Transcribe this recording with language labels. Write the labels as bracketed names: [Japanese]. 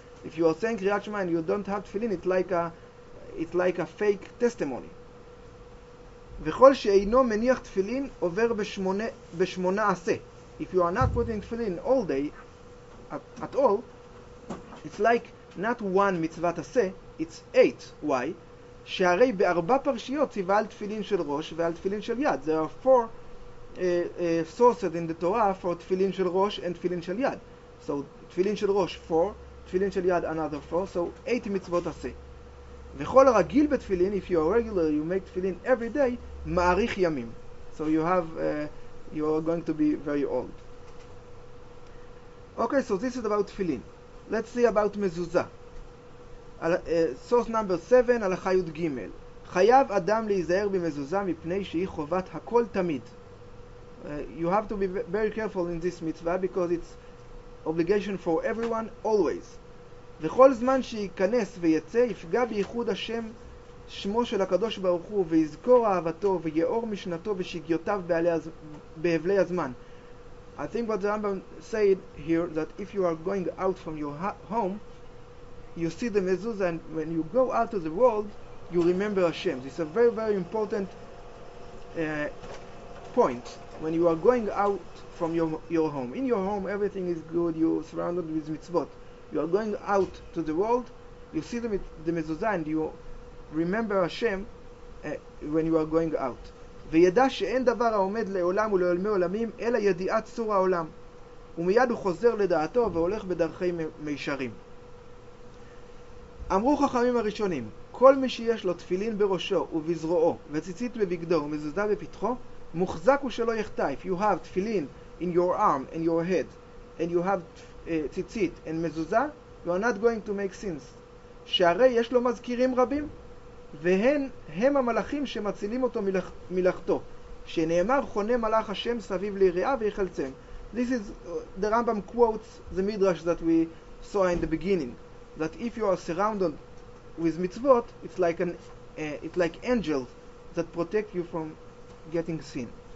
[English] If you are saying קריאת שמע and you don't have תפילין, it's like a fake testimony. [Hebrew] וכל שאינו מניח תפילין עובר בשמונה עשה. [English] If you are not putting תפילין all day, at all, it's like not one mitzvat aseh, it's eight. Why? [Hebrew] שהרי בארבע פרשיות ציווה על תפילין של ראש ועל תפילין של יד. [English] There are four sources in the Torah for תפילין של ראש and תפילין של יד. So, תפילין של ראש, four, תפילין של יד, another four, so eight mitzvot aseh. [Hebrew] וכל הרגיל בתפילין, [English] if you are regular, you make תפילין every day, [Hebrew] מאריך ימים. [English] So you are going to be very old. Okay, so this is about תפילין. Let's see about mezuzah. Source number 7, [Hebrew] הלכה יוד גימל. חייב אדם להיזהר במזוזה מפני שהיא חובת הכל תמיד. [English] You have to be very careful in this mitzvah because it's obligation for everyone always. [Hebrew] וכל זמן שיכנס ויצא יפגע בייחוד השם שמו של הקדוש ברוך הוא ויזכור אהבתו ויאור משנתו ושגיותיו בהבלי הזמן. [English] I think what the Rambam said here, that if you are going out from your home, you see the mezuzah, and when you go out to the world, you remember Hashem. It's a very, very important point. when you are going out from your home. In your home, everything is good, you're surrounded with mitzvot. You are going out to the world, you see the mezuzah, and you remember Hashem when you are going out. [Hebrew] וידע שאין דבר העומד לעולם ולעולמי עולמים, אלא ידיעת צור העולם. ומיד הוא חוזר לדעתו והולך בדרכי מישרים. אמרו חכמים הראשונים, כל מי שיש לו תפילין בראשו ובזרועו, וציצית בבגדו ומזוזה בפתחו, מוחזק הוא שלא יחטא. [English] If you have תפילין in your arm and your head, and you have ציצית and מזוזה, you are not going to make sins. [Hebrew] שהרי יש לו מזכירים רבים, והן הם המלאכים שמצילים אותו מלאכתו, שנאמר חונה מלאך השם סביב ליראה ויחלצם. [English] This is the Rambam quotes the midrash that we saw in the beginning, that if you are surrounded with mitzvot, it's like an angels that protect you from getting sin.